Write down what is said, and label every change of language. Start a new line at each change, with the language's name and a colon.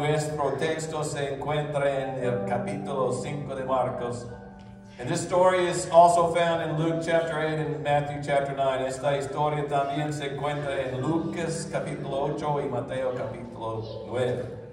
Spanish: Nuestro texto se encuentra en el capítulo 5 de Marcos.
English: And this story is also found in Luke chapter 8 and Matthew chapter 9.
Spanish: Esta historia también se encuentra en Lucas capítulo 8 y Mateo capítulo 9.